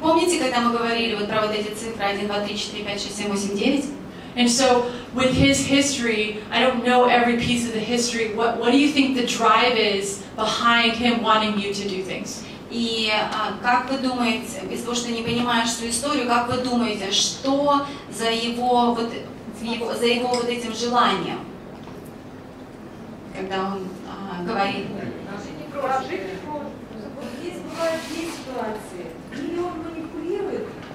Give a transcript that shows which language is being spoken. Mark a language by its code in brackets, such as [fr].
[ru] Помните, когда мы говорили вот про вот эти цифры 1, 2, 3, 4, 5, 6, 7, 8, 9? [en] And so, with his history, I don't know every piece of the history. What do you think the drive is behind him wanting you to do things? [ru] И как вы думаете, из того, что не понимаешь всю историю, как вы думаете, что за его вот этим желанием, когда он говорит? Здесь бывают две ситуации. Или он манипулирует,